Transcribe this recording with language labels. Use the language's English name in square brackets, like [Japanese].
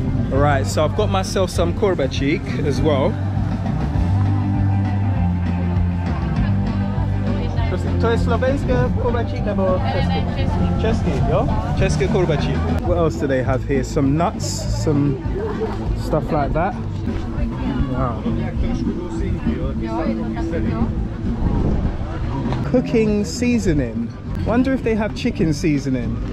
[English] Right, so I've got myself some korbačík as well. [Czech] To je slovenské korbačík nebo český? Český, jo? České korbačík. [English] What else do they have here? Some nuts, some stuff like that. Wow. Cooking seasoning. Wonder if they have chicken seasoning.